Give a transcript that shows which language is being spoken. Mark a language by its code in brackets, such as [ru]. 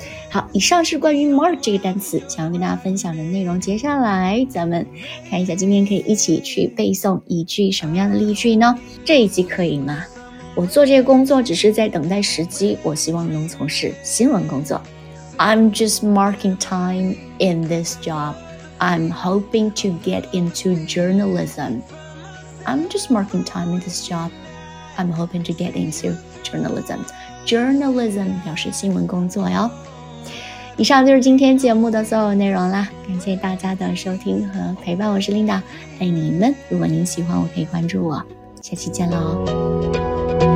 [zh] 好，以上是关于 mark 这个单词想要跟大家分享的内容，接下来咱们看一下今天可以一起去背诵一句什么样的例句呢？这一集可以吗？我做这个工作只是在等待时机，我希望能从事新闻工作。 [en] I'm just marking time in this job， I'm hoping to get into journalism。 I'm just marking time in this job， I'm hoping to get into journalism。 [zh] Journalism 表示新闻工作哟。以上就是今天节目的所有内容啦，感谢大家的收听和陪伴，我是 Linda， 爱你们，如果您喜欢我可以关注我，下期见喽。